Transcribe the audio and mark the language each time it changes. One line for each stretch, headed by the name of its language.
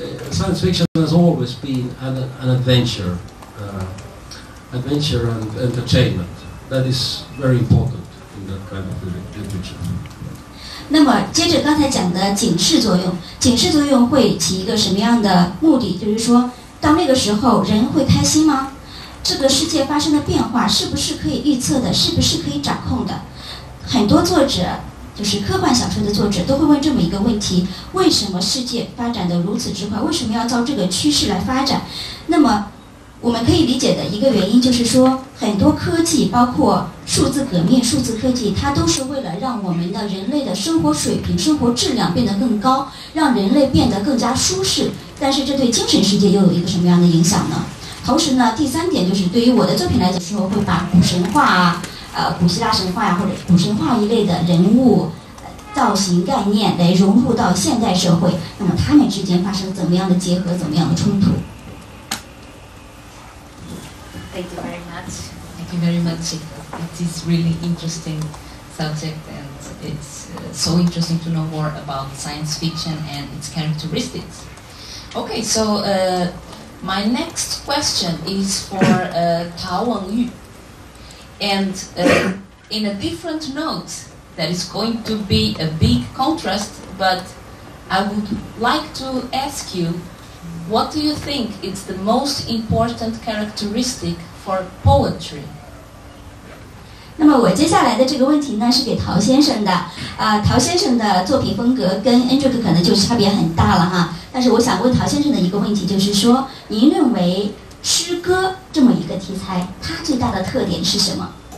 English: Science fiction has always been an adventure, adventure and entertainment. That is very important in that kind of literature.
Chinese: 那么接着刚才讲的警示作用，警示作用会起一个什么样的目的？就是说，到那个时候人会开心吗？这个世界发生的变化是不是可以预测的？是不是可以掌控的？很多作者，就是科幻小说的作者，都会问这么一个问题：为什么世界发展得如此之快？为什么要照这个趋势来发展？那么，我们可以理解的一个原因就是说，很多科技，包括数字革命、数字科技，它都是为了让我们的人类的生活水平、生活质量变得更高，让人类变得更加舒适。但是，这对精神世界又有一个什么样的影响呢？同时呢，第三点就是对于我的作品来讲，说会把古神话啊，古希腊神话呀，或者古神话一类的人物、造型概念来融入到现代社会，那么他们之间发生怎么样的结合，怎么样的冲突
English: ？Thank you very much. Thank you very much. It is really interesting subject, and it's so interesting to know more about science fiction and its characteristics. Okay, so. My next question is for Tao Wenyu, and in a different note, that is going to be a big contrast, but I would like to ask you, what do you think is the most important characteristic for poetry?
Chinese: 那么我接下来的这个问题呢，是给陶先生的。陶先生的作品风格跟 Indrek 可能就差别很大了哈。但是我想问陶先生的一个问题，就是说，您认为诗歌这么一个题材，它最大的特点是什么？